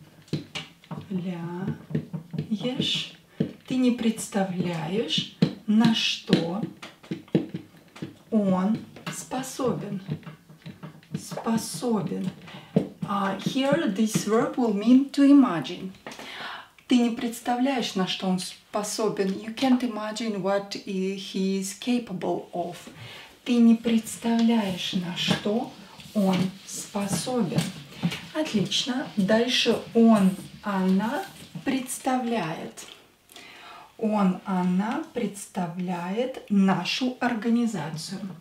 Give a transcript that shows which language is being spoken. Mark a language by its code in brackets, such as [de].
[ru] Представляешь. Ты не представляешь, на что он способен. Способен. [en] Here this verb will mean to imagine. [ru] Ты не представляешь, на что он способен. [en] You can't imagine what he is capable of. [ru] Ты не представляешь, на что он способен. Отлично. Дальше он, она представляет. Он, она представляет нашу организацию.